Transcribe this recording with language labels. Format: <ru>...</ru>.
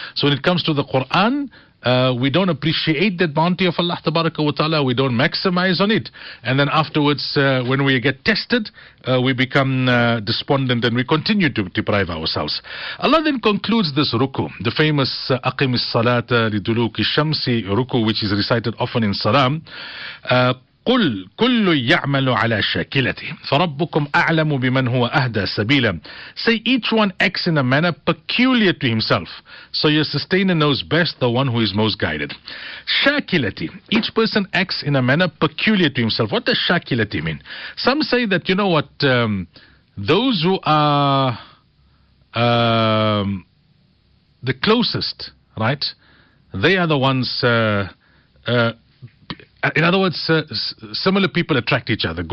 <en>So when it comes to the Quran, we don't appreciate that bounty of Allah Tabaraka wa Ta'ala, we don't maximize on it, and then afterwards when we get tested, we become despondent and we continue to deprive ourselves. Allah then concludes this ruku, the famous Aqim as-salata liduluki shamsi ruku, which is recited often in Salam.</en> <ar>قل كل يعمل على شاكلته فربكم أعلم بمن هو أهدى سبيلا.</ar> <en>Say each one acts in a manner peculiar to himself, so your sustainer knows best the one who is most guided. شاكلتي, each person acts in a manner peculiar to himself. What does شاكلتي mean? Some say that, you know what, those who are the closest, right, they are the ones in other words, similar people attract each other.</en>